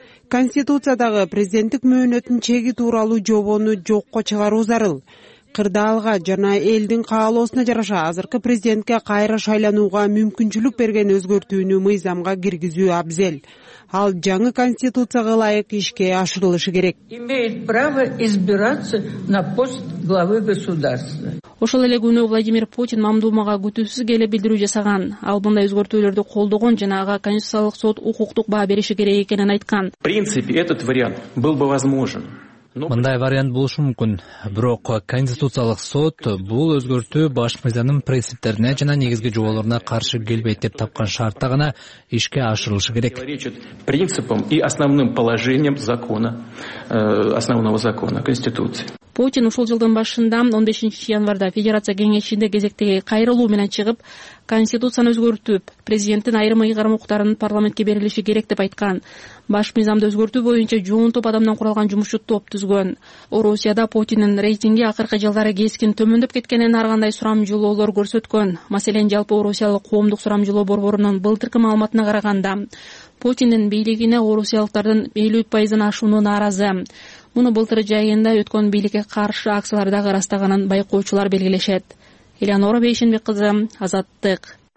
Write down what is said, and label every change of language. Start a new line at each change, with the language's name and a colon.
Kyrgyz: Конституциядагы президенттик мөөнөтүн чеги тууралуу жобону жокко чыгаруу зарыл. Кырдаалга жана элдин каалоосуна жараша азыркы президентке кайра шайланууга мүмкүнчүлүк берген өзгөртүүнү мыйзамга киргизүү абзел. Ал жаңы конституцияга ылайык ишке ашырылышы керек.
Russian: Имеет право избираться на пост главы государства.
Kyrgyz: Ошол эле күнү Владимир Путин мамдумага күтүүсүз келип билдирүү жасаган. Ал мындай өзгөртүүлөрдү колдогон жана ага конституциялык сот укуктук баа бериши керек экенин айткан.
Russian: В принципе, этот вариант был бы возможен.
Kyrgyz: Мындай вариант болушу мүмкүн, бирок конституциялык сот бул өзгөртүү баш мыйзамдын принциптерине жана негизги жоболоруна каршы келбейт деп тапкан шартта гана ишке ашырылышы керек.
Russian: Принципам и основным положениям закона, основного закона конституции.
Kyrgyz: Путин ушул жылдын башында 15 январда Федерация кеңешинде кезектеги кайрылуу менен чыгып, конституцияны өзгөртүп, президенттин айрым ыйгарым укуктарынын парламентке берилиши керек деп айткан. Баш мыйзамды өзгөртүү боюнча жоон топ адамдан куралган жумушчу топ түзгөн. Орусияда Путиндин рейтинги акыркы жылдары кескин төмөндөп кеткенин ар кандай сурамжылоолор көрсөткөн. Маселен, жалпы орусиялык коомдук сурамжылоо борборунун былтыркы маалыматына караганда, Путиндин бийлигине орусиялыктардын 50%ынан ашууну нааразы. Муну былтыр жайында өткөн бийликке каршы акциялардагы ырастаганын байкоочулар белгилешет. Элеонора Бейшенбек кызы, Азаттык.